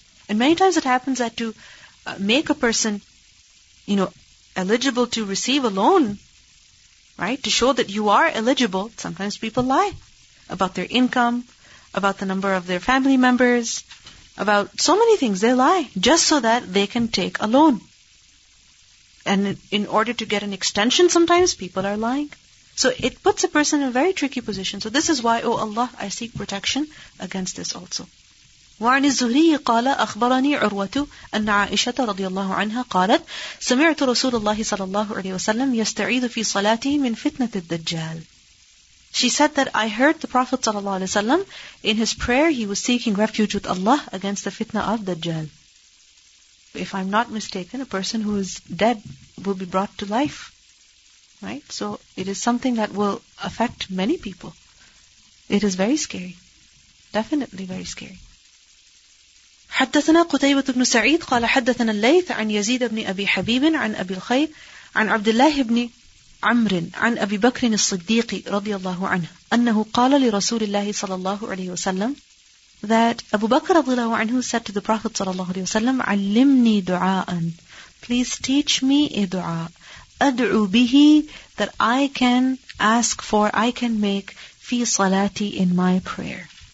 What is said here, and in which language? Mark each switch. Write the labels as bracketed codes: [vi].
[en] And many times it happens that to make a person, you know, eligible to receive a loan, right, to show that you are eligible, sometimes people lie about their income, about the number of their family members, about so many things. They lie just so that they can take a loan. And in order to get an extension, sometimes people are lying. So it puts a person in a very tricky position. So this is why, O Allah, I seek protection against this also. [ar] وعن الزهري قال أخبرني عروة أن عائشة رضي الله عنها قالت سمعت رسول الله صلى الله عليه وسلم يستعيذ في صلاته من فتنة الدجال. [en] She said that I heard the Prophet sallallahu alaihi wasallam in his prayer, he was seeking refuge with Allah against the fitna of Dajjal. If I'm not mistaken, a person who is dead will be brought to life, right? So it is something that will affect many people. It is very scary, definitely very scary. [ar] حدثنا قتيبة بن سعيد قال حدثنا الليث عن يزيد بن أبي حبيب عن أبي الخير عن عبد الله بن عمر عن أبي بكر الصديق رضي الله عنه أنه قال لرسول الله صلى الله عليه وسلم [en] that Abu Bakr [ar] رضي الله عنه [en] said to the Prophet [ar] صلى الله عليه وسلم علمني دعاء, [en] please teach me a [ar] دعاء أدعو به [en] that I can ask for, I can make [ar] في صلاتي [en] in my prayer.